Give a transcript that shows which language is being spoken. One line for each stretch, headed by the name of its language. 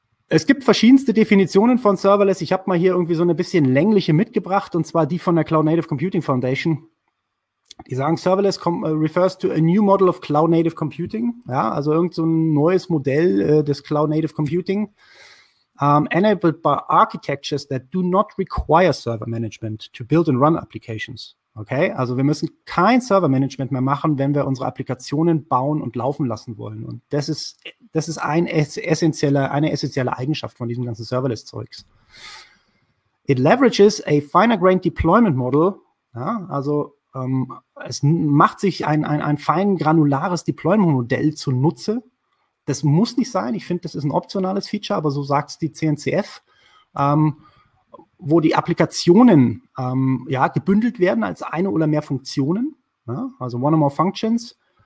German: Es gibt verschiedenste Definitionen von Serverless. Ich habe mal hier irgendwie so eine bisschen längliche mitgebracht, und zwar die von der Cloud Native Computing Foundation. Die sagen,
English: Serverless refers to a new model of Cloud Native Computing.
German: Ja, also irgend so ein neues Modell des Cloud Native Computing.
English: Enabled by architectures that do not require server management to build and run applications.
German: Okay, also wir müssen kein Server Management mehr machen, wenn wir unsere Applikationen bauen und laufen lassen wollen. Und das ist eine essentielle Eigenschaft von diesem ganzen Serverless-Zeugs.
English: It leverages a finer-grained deployment model.
German: Ja, also es macht sich ein fein granulares Deployment-Modell zunutze. Das muss nicht sein. Ich finde, das ist ein optionales Feature, aber so sagt es die CNCF, wo die Applikationen gebündelt werden als eine oder mehr Funktionen, ja, also
English: one or more functions.